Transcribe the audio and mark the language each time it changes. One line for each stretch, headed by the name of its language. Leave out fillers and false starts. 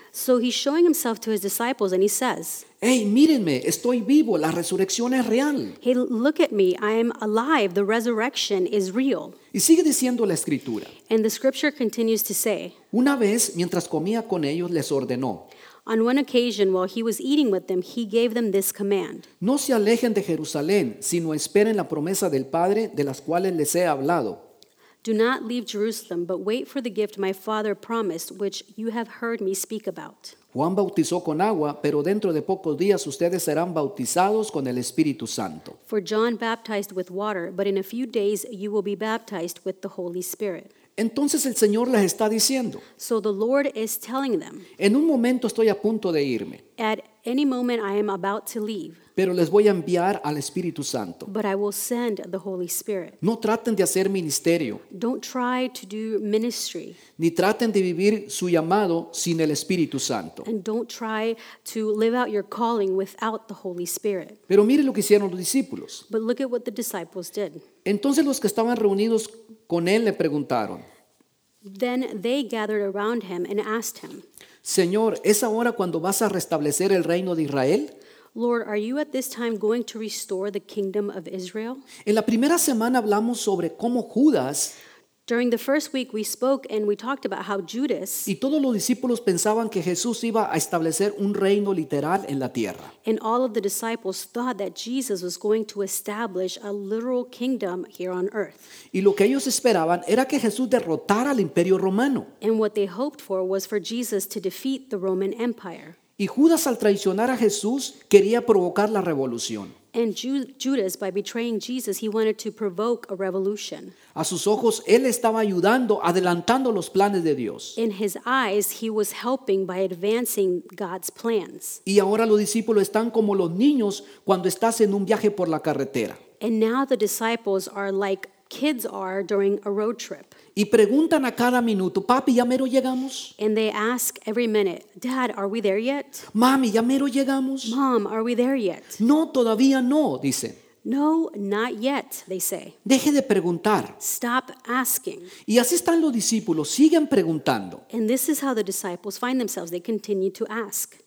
English: So he's showing himself to his disciples and he says,
Spanish: hey, mírenme, estoy vivo, la resurrección es real.
English: Hey, look at me, I am alive, the resurrection is real.
Spanish: Y sigue diciendo la escritura.
English: And the scripture continues to say,
Spanish: una vez, mientras comía con ellos, les ordenó.
English: On one occasion, while he was eating with them, he gave them this command.
Spanish: No se alejen de Jerusalén, sino esperen la promesa del Padre, de las cuales les he hablado.
English: Do not leave Jerusalem, but wait for the gift my Father promised, which you have heard me speak about.
Spanish: Juan bautizó con agua, pero dentro de pocos días ustedes serán bautizados con el Espíritu Santo.
English: For John baptized with water, but in a few days you will be baptized with the Holy Spirit.
Spanish: Entonces el Señor les está diciendo.
English: So the Lord is telling them.
Spanish: En un momento estoy a punto de irme.
English: At any moment I am about to leave.
Spanish: Pero les voy a enviar al Espíritu Santo.
English: But I will send the Holy Spirit.
Spanish: No traten de hacer ministerio.
English: Don't try to do ministry.
Spanish: Ni traten de vivir su llamado sin el Espíritu Santo.
English: And don't try to live out your calling without the Holy Spirit.
Spanish: Pero mire lo que hicieron los discípulos.
English: But look at what the disciples did.
Spanish: Entonces los que estaban reunidos con él le preguntaron.
English: Then they gathered around him and asked him.
Spanish: Señor, ¿es ahora cuando vas a restablecer el reino de Israel?
English: Lord, are you at this time going to restore the kingdom of Israel?
Spanish: En la primera semana hablamos sobre cómo Judas.
English: During the first week we spoke and we talked about how Judas.
Spanish: Y todos los discípulos pensaban que Jesús iba a establecer un reino literal en la tierra.
English: And all of the disciples thought that Jesus was going to establish a literal kingdom here on earth.
Spanish: Y lo que ellos esperaban era que Jesús derrotara al Imperio Romano.
English: And what they hoped for was for Jesus to defeat the Roman Empire.
Spanish: Y Judas, al traicionar a Jesús, quería provocar la revolución.
English: And Judas, by betraying Jesus, he wanted to provoke a revolution.
Spanish: A sus ojos, él estaba ayudando, adelantando los planes de Dios.
English: In his eyes, he was helping by advancing God's plans.
Spanish: Y ahora los discípulos están como los niños cuando estás en un viaje por la carretera.
English: And now the disciples are like kids are during a road trip.
Spanish: Y preguntan a cada minuto, papi, ¿ya mero llegamos?
English: And they ask every minute, Dad, are we there yet?
Spanish: Mami, ¿ya mero llegamos?
English: Mom, are we there yet?
Spanish: No, todavía no, dicen.
English: No, not yet, they say.
Spanish: Deje de preguntar.
English: Stop asking.
Spanish: Y así están los discípulos, siguen preguntando.
English: And this is how the disciples find themselves, they continue to ask.